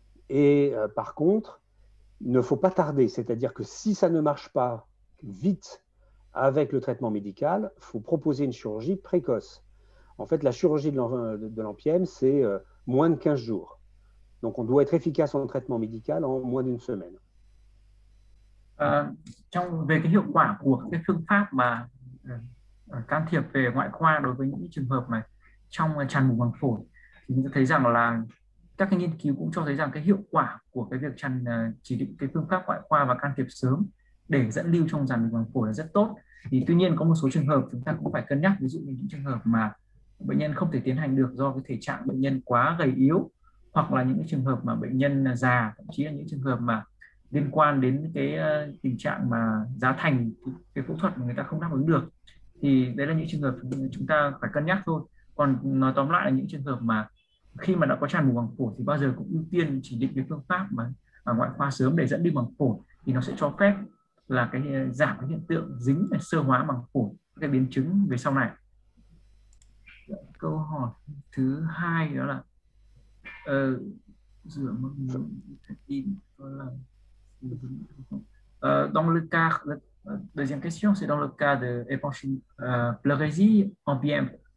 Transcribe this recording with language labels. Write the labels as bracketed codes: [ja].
[fr] Et par contre, il ne faut pas tarder. C'est-à-dire que si ça ne marche pas vite avec le traitement médical, il faut proposer une chirurgie précoce. En fait, la chirurgie de l'empyème, c'est moins de 15 jours. Donc, on doit être efficace en traitement médical en moins d'une semaine. [vi] Trong về cái hiệu quả của cái phương pháp mà can thiệp về ngoại khoa đối với những trường hợp mà trong tràn mũ màng phổi thì chúng ta thấy rằng là các cái nghiên cứu cũng cho thấy rằng cái hiệu quả của cái việc tràn chỉ định cái phương pháp ngoại khoa và can thiệp sớm để dẫn lưu trong tràn mũ màng phổi là rất tốt. Thì tuy nhiên có một số trường hợp chúng ta cũng phải cân nhắc, ví dụ như những trường hợp mà bệnh nhân không thể tiến hành được do cái thể trạng bệnh nhân quá gầy yếu, hoặc là những cái trường hợp mà bệnh nhân già, thậm chí là những trường hợp mà liên quan đến cái tình trạng mà giá thành cái phẫu thuật mà người ta không đáp ứng được, thì đấy là những trường hợp chúng ta phải cân nhắc thôi. Còn nói tóm lại là những trường hợp mà khi mà đã có tràn mũ màng phổi thì bao giờ cũng ưu tiên chỉ định cái phương pháp mà ngoại khoa sớm để dẫn đi màng phổi, thì nó sẽ cho phép là cái giảm cái hiện tượng dính xơ hóa màng phổi, cái biến chứng về sau này. Câu hỏi thứ hai đó là [fr] dans le cas, deuxième question, c'est dans le cas de pleurésie en PM.